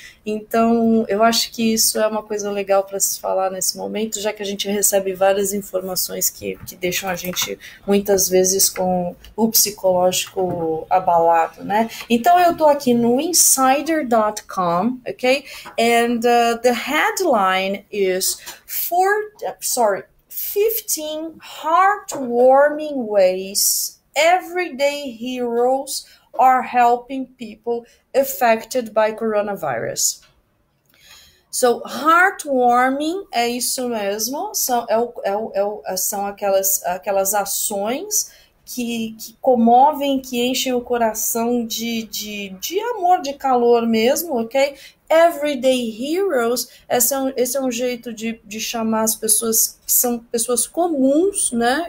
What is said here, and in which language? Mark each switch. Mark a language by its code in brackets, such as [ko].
[pt] Então, eu acho que isso é uma coisa legal para se falar nesse momento, já que a gente recebe várias informações que deixam a gente muitas vezes com o psicológico abalado, né? Então, eu estou aqui no insider.com, ok? [en] And the headline is sorry, 15 heartwarming ways everyday heroes are helping people affected by coronavirus. [pt] So, heartwarming é isso mesmo. São aquelas ações que comovem, que enchem o coração de amor, de calor mesmo, ok? Everyday heroes, esse é um jeito de chamar as pessoas que são pessoas comuns, né?